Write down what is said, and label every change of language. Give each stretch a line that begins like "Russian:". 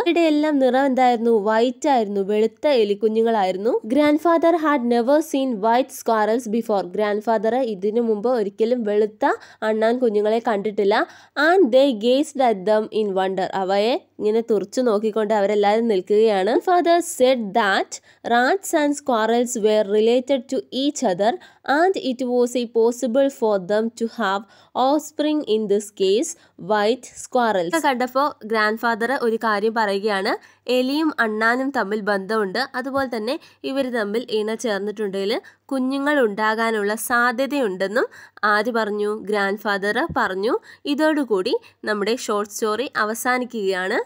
Malayalam: ഇവിടെ എല്ലാം നിറം എന്തായിരുന്നു? വൈറ്റ് ആയിരുന്നു, വെളുത്ത എലിക്കുഞ്ഞുങ്ങളായിരുന്നു. Grand father had never seen white സ്ക്വാറൽസ് before. Grand father ഇതിനു മുമ്പ് ഒരിക്കലും വെളുത്ത അണ്ണാൻ കുഞ്ഞുങ്ങളെ കണ്ടിട്ടില്ല.
English: And they gazed at them in wonder.
Malayalam: അവയെ ഇങ്ങനെ തുറച്ചു നോക്കിക്കൊണ്ട് അവരെല്ലാവരും നിൽക്കുകയാണ്.
English: Father said that rats and squirrels were related to each other and it was possible for them to have offspring in this case white squirrels.
Malayalam: കണ്ടപ്പോൾ ഗ്രാൻഡ്ഫാദർ ഒരു കാര്യം പറയുകയാണ്, എലിയും അണ്ണാനും തമ്മിൽ ബന്ധമുണ്ട്, അതുപോലെ തന്നെ ഇവർ തമ്മിൽ ഇണ ചേർന്നിട്ടുണ്ടെങ്കിൽ കുഞ്ഞുങ്ങൾ ഉണ്ടാകാനുള്ള സാധ്യതയുണ്ടെന്നും ആര് പറഞ്ഞു? ഗ്രാൻഡ് ഫാദർ പറഞ്ഞു. ഇതോടുകൂടി നമ്മുടെ ഷോർട്ട് സ്റ്റോറി അവസാനിക്കുകയാണ്.